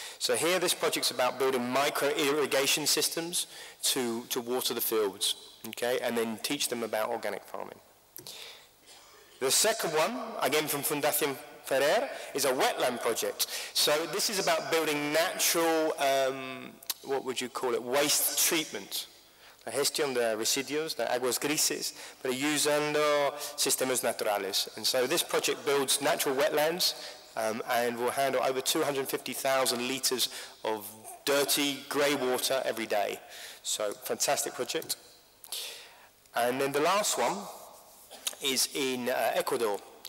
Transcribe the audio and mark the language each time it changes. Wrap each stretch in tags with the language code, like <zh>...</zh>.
<en>So here this project's about building micro irrigation systems to water the fields, okay, and then teach them about organic farming. The second one, again from Fundación Ferrer, is a wetland project. So this is about building natural, what would you call it, waste treatment.</en> <es>La gestión de residuos, de aguas grises, pero usando sistemas naturales.</es> <en>And so this project builds natural wetlands and will handle over 250,000 litres of dirty grey water every day. So fantastic project. And then the last one is in Ecuador.</en>